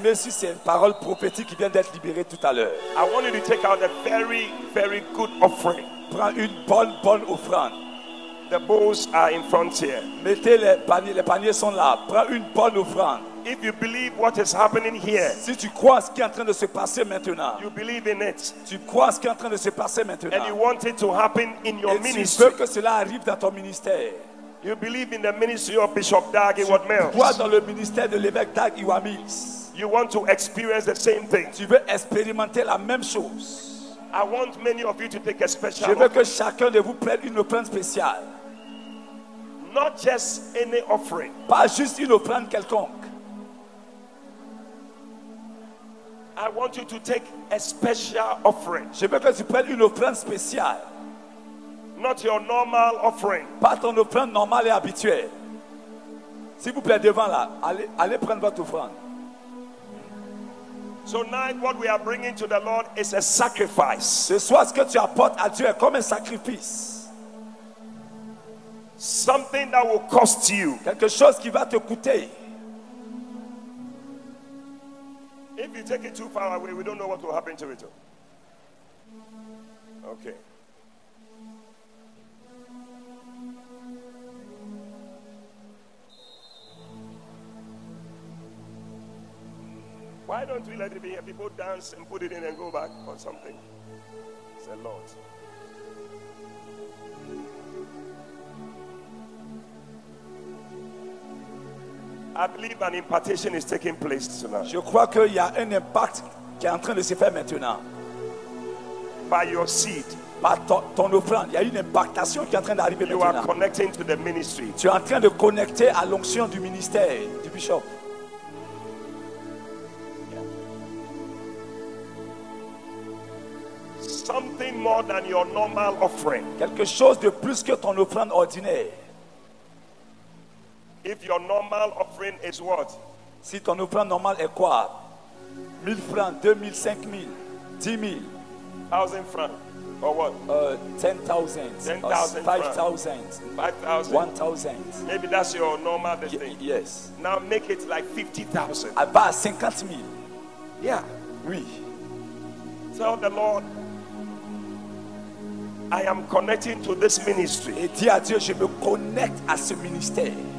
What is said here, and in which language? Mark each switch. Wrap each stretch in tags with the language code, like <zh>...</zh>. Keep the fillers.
<fr>ces parole prophétique qui vient d'être libérée tout à l'heure.</fr> <en>I want you to take out a very, very good offering.</en> <fr>une bonne bonne offrande.</fr> <en>The bowls are in front here.</en> <fr>Mettez les paniers, les paniers sont là. Prends une bonne offrande.</fr> <en>If you believe what is happening here,</en> <fr>si tu crois ce qui est en train de se passer maintenant,</fr> <en>you believe in it.</en> <fr>Tu crois ce qui est en train de se passer maintenant.</fr> <en>And you want it to happen in your</en> <fr>et</fr> <en>ministry. et ministry. Tu</en> <fr>veux que cela arrive dans ton ministère.</fr> <en>You believe in the ministry of Bishop Dag Iwamils.</en> <fr>Tu crois dans le ministère de l'évêque Dag Iwamils.</fr> <en>You want to experience the same thing.</en> <fr>Tu veux expérimenter la même chose.</fr> <en>I want many of you to take a special.</en> <fr>Je veux office. que chacun de vous prenne une offrande spéciale.</fr> <en>not just any offering.</en> <fr>Pas juste une offrande quelconque.</fr> <en>I want you to take a special offering.</en> <fr>Je veux que tu prennes une offrande spéciale.</fr> <en>Not your normal offering.</en> <fr>Pas ton offrande normale et habituelle. S'il vous plaît, devant là, allez, allez prendre votre offrande.</fr> <en>So tonight, what we are bringing to the Lord is a sacrifice.</en> <fr>Ce soir, ce que tu apportes à Dieu est comme un sacrifice</fr> <en>something that will cost you</en> <fr>quelque chose qui va te coûter</fr> <en>if you take it too far away we don't know what will happen to it all. okay why don't we let it be, people dance and put it in and go back or something say lord I believe an impartation is taking place</en> <fr>Je crois qu'il y a un impact qui est en train de se faire maintenant.</fr> <en>By</en> <fr>Par ton, ton offrande, il y a une impactation qui est en train d'arriver maintenant.</fr> <en>Are connecting to the ministry.</en> <fr>Tu es en train de connecter à l'onction du ministère du bishop.</fr> <en>Something more than your normal offering.</en> <fr>Quelque chose de plus que ton offrande ordinaire.</fr> <en>If your normal offering is what?</en> <fr>Si ton offrande normale est quoi? 1000 francs, 2000, 5000, 10000, 1000 francs.</fr> <en>Or what? Uh, 10,000. 10,000. 5,000. 5,000. 1,000. Maybe that's your normal thing. y- thing. Yes. Now make it like 50,000. I buy 50,000. Yeah. We.</en> <fr>Oui.</fr> <en>Tell the Lord, I am connecting to this ministry.</en> <fr>Et dis à Dieu, je me connecte à ce ministère.</fr>